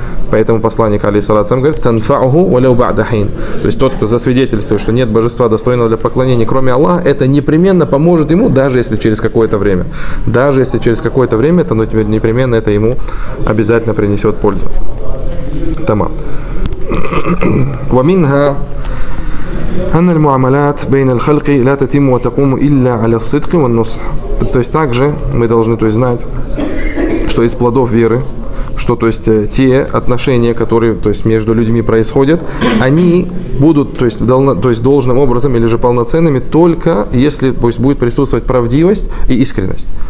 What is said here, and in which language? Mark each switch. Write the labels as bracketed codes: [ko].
[ru] Поэтому посланник, алейхиссалату вассалям, говорит, [ar] «Танфа'уху валяу ба'дахин». [ru] То есть тот, кто засвидетельствует, что нет божества достойного для поклонения, кроме Аллаха, это непременно поможет ему, даже если через какое-то время. Даже если через какое-то время, то непременно это ему обязательно принесет пользу. Тамам. [ar] ومنها أن المعاملات بين الخلق لا تتم وتقوم إلا على الصدق والنصح. [ru] То есть также мы должны, то есть, знать, что из плодов веры, что, то есть, те отношения, которые, то есть, между людьми происходят, они будут, то есть, должным образом или же полноценными только если, то есть, будет присутствовать правдивость и искренность.